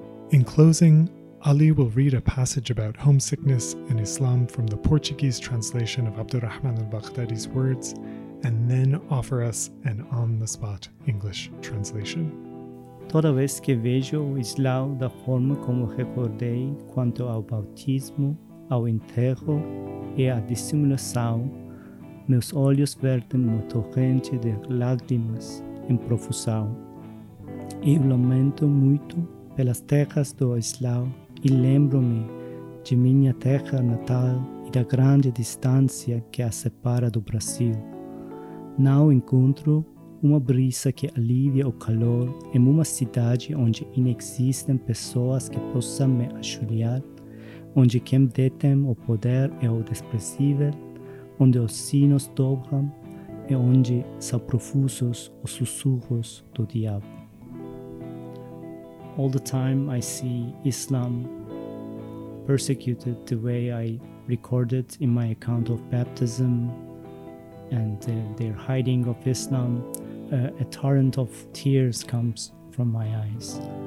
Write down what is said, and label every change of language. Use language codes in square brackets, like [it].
[en] In closing, Ali will read a passage about homesickness in Islam from the Portuguese translation of Abdurrahman al-Baghdadi's words, and then offer us an on-the-spot English translation. [pt] Toda vez que vejo o Islão da forma como recordei quanto ao bautismo, ao enterro e à dissimulação, meus olhos verdem uma torrente de lágrimas em profusão. Eu lamento muito pelas terras do Islão e lembro-me de minha terra natal e da grande distância que a separa do Brasil. Não encontro uma brisa que alivie o calor em uma cidade onde inexistem pessoas que possam me ajudar, onde quem detém o poder é o desprezível, onde os sinos dobram e onde são profusos os sussurros do diabo. [en] All the time I see Islam persecuted the way I recorded in my account of baptism and their hiding of Islam, a torrent of tears comes from my eyes.